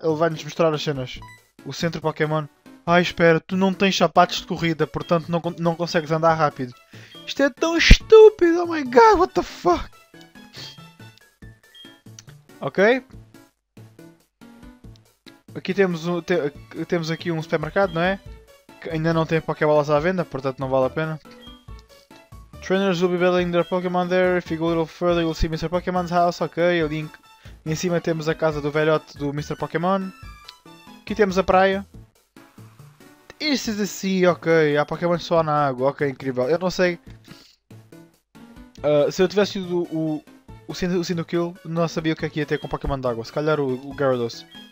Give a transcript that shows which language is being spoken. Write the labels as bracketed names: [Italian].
[Portuguese] Ele vai-nos mostrar as cenas. O centro Pokémon. Ai, espera, tu não tens sapatos de corrida, portanto não consegues andar rápido. Isto é tão estúpido, [English] oh my god, what the fuck? Ok. [Portuguese] Aqui temos aqui um supermercado, não é? Que ainda não tem Pokébolas à venda, portanto não vale a pena. [English] Trainers will be battling their Pokémon there. If you go a little further, you'll see Mr. Pokémon's house. [Portuguese] Ok, ali em cima temos a casa do velhote do Mr. Pokémon. Aqui temos a praia. Isso é assim, ok. Há Pokémon só na água, ok, incrível. Eu não sei. Se eu tivesse tido o Cyndaquil, não sabia o que é que ia ter com Pokémon de água. Se calhar o Gyarados.